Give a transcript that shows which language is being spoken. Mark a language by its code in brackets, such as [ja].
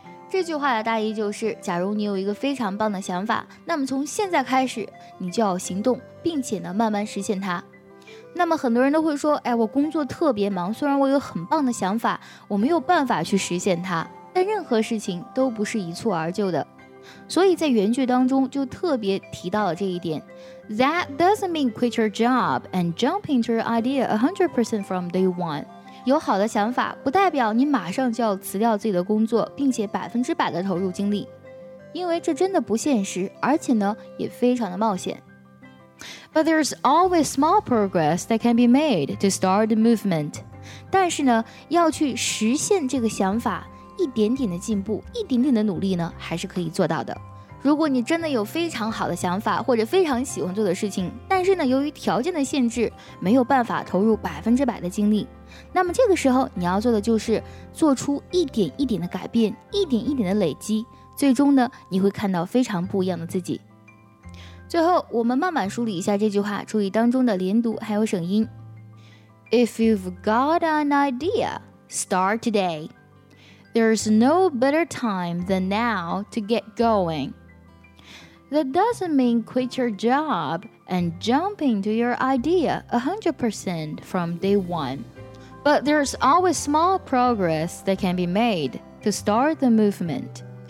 [zh] 这句话的大意就是，假如你有一个非常棒的想法，那么从现在开始，你就要行动，并且呢，慢慢实现它。那么很多人都会说，哎，我工作特别忙，虽然我有很棒的想法，我没有办法去实现它。但任何事情都不是一蹴而就的。所以在原句当中就特别提到了这一点。 [en] That doesn't mean quit your job and jump into your idea 100% from day one. [zh] 有好的想法不代表你马上就要辞掉自己的工作并且百分之百的投入精力。因为这真的不现实，而且呢也非常的冒险。 [en] But there's always small progress that can be made to start the movement. [zh] 但是呢，要去实现这个想法，一点点的进步，一点点的努力呢，还是可以做到的。如果你真的有非常好的想法，或者非常喜欢做的事情，但是呢，由于条件的限制，没有办法投入百分之百的精力，那么这个时候你要做的就是做出一点一点的改变，一点一点的累积，最终呢，你会看到非常不一样的自己。最后我们慢慢梳理一下这句话，注意当中的连读还有省音。 [en] If you've got an idea, start today. There's no better time than now to get going. That doesn't mean quit your job and jump into your idea 100% from day one. But there's always small progress that can be made to start the movement.